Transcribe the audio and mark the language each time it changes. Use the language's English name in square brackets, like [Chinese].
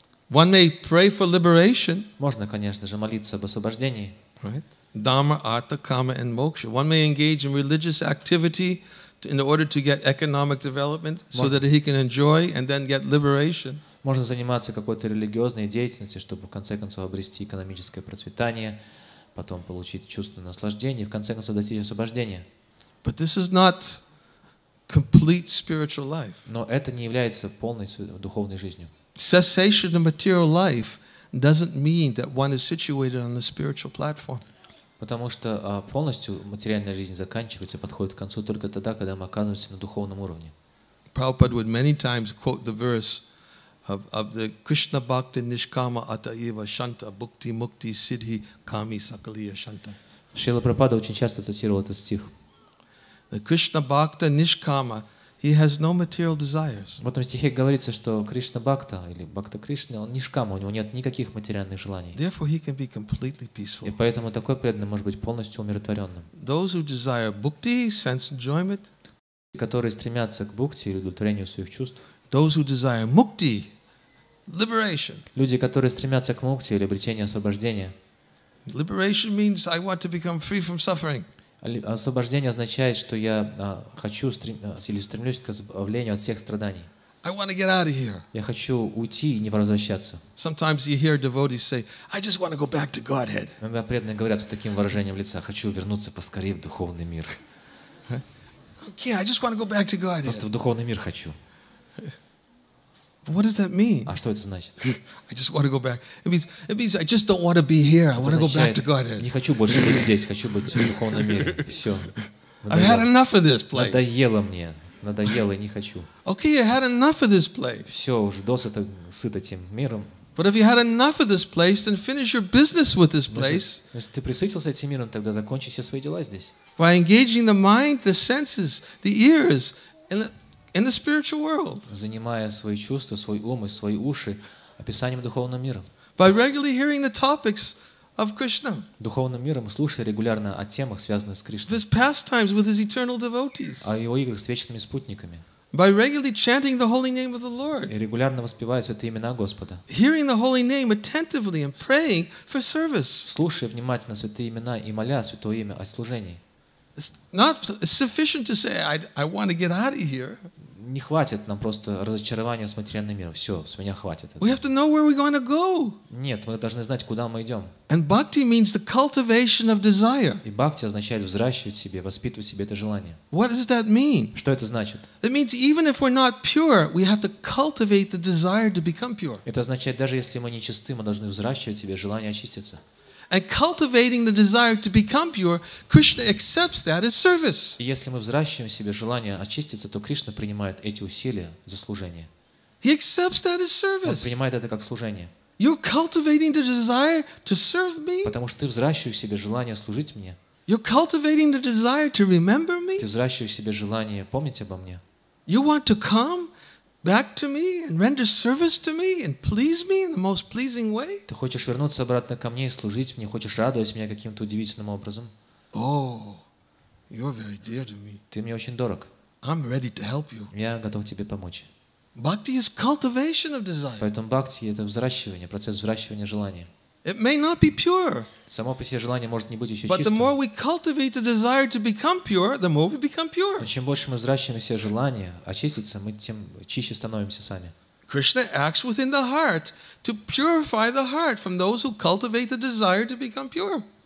[English] One may pray for liberation. [Russian] Можно, конечно же, молиться об освобождении. [English] Right. Dharma, artha, kama, and moksha. One may engage in religious activity in order to get economic development, so that he can enjoy and then get liberation. [Russian] Можно заниматься какой-то религиозной деятельностью, чтобы в конце концов обрести экономическое процветание, потом получить чувство наслаждения, в конце концов достичь освобождения. [English] But this is not complete spiritual life. [Russian] Но это не является полной духовной жизнью. [English] Cessation of material life doesn't mean that one is situated on the spiritual platform. [Russian] Потому что полностью материальная жизнь заканчивается, подходит к концу только тогда, когда мы оказываемся на духовном уровне. [English] Prabhupada would many times quote the verse of the [Sanskrit] Krishna Bhakti Nishkama Atayeva Shanta Bhukti Mukti Siddhi Kami Sakaliya Shanta. [Russian] Шрила Прабхупада очень часто цитировал этот стих. [English] The [Sanskrit] Krishna Bhakti Nishkama, [English] he has no material desires. [Russian] В этом стихе говорится, что Кришна Бхакта или Бхакта Кришна, он нишкама, у него нет никаких материальных желаний. [English] Therefore, he can be completely peaceful. [Russian] И поэтому такой преданный может быть полностью умиротворенным. [English] Those who desire bhukti, sense enjoyment, [Russian] которые стремятся к бхукти или удовлетворению своих чувств. [English] Those who desire mukti, liberation. [Russian] Люди, которые стремятся к мукти или обретению освобождения. [English] Liberation means I want to become free from suffering. [Russian] Освобождение означает, что я хочу или стремлюсь к избавлению от всех страданий. [English] I want to get out of here. [Russian] Я хочу уйти и не возвращаться. [English] Sometimes you hear devotees say, I just want to go back to Godhead. [Russian] Иногда преданные говорят с таким выражением лица: хочу вернуться поскорее в духовный мир. [English] Okay, I just want to go back to Godhead. [Russian] Просто в духовный мир хочу. [English] What does that mean? [Russian] А что это значит? [English] I just want to go back. It means I just don't want to be here. I want to go back to Godhead. [Russian] Не хочу больше быть здесь, хочу быть в духовном мире. Все. [English] I've had enough of this place. [Russian] Надоело мне. Надоело, не хочу. [English] Okay, you had enough of this place. [Russian] Все, уже досыта, сыт этим миром. [English] But if you had enough of this place, then finish your business with this place. [Russian] Если ты присытился этим миром, тогда закончи все свои дела здесь. [English] By engaging the mind, the senses, the ears, and in the spiritual world. [Russian] Занимая свои чувства, свой ум и свои уши описанием духовного мира. [English] By regularly hearing the topics of Krishna. [Russian] Духовным миром, слушая регулярно о темах, связанных с Кришной. [English] His pastimes with his eternal devotees. [Russian] О его играх с вечными спутниками. [English] By regularly chanting the holy name of the Lord. [Russian] И регулярно воспевая святые имена Господа. [English] Hearing the holy name attentively and praying for service. [Russian] Слушая внимательно святые имена и моля святое имя о служении. [English] It's not sufficient to say I want to get out of here. [Russian] Не хватит нам просто разочарования с материальным миром. Все, с меня хватит. [English] We have to know where we're going to go. [Russian] Нет, мы должны знать, куда мы идем. [English] And bhakti means the cultivation of desire. [Russian] И бхакти означает взращивать себе, воспитывать себе это желание. [English] What does that mean? [Russian] Что это значит? [English] It means even if we're not pure, we have to cultivate the desire to become pure. [Russian] Это означает, даже если мы нечисты, мы должны взращивать себе желание очиститься. [English] And cultivating the desire to become pure, Krishna accepts that as service. [Russian] И если мы взращиваем в себе желание очиститься, то Кришна принимает эти усилия за служение. [English] He accepts that as service. [Russian] Он принимает это как служение. [English] You're cultivating the desire to serve me. [Russian] Потому что ты взращиваешь в себе желание служить мне. [English] You're cultivating the desire to remember me. [Russian] Ты взращиваешь в себе желание помнить обо мне. [English] You want to come back to me and render service to me and please me in the most pleasing way? [Russian] Ты хочешь вернуться обратно ко мне и служить мне, хочешь радовать меня каким-то удивительным образом? [English] Oh, you're very dear to me. [Russian] Ты мне очень дорог. [English] I'm ready to help you. [Russian] Я готов тебе помочь. [English] Bhakti is cultivation of desire. [Russian] Поэтому бхакти — это взращивание, процесс взращивания желания. [English] It may not be pure. [Russian] Само по себе желание может не быть еще чистым. [English] But the more we cultivate the desire to become pure, the more we become pure. [Russian] Чем больше мы взращиваем в себе желание очиститься, мы тем чище становимся сами. [English] Krishna acts within the heart to purify the heart from those who cultivate the desire to become pure.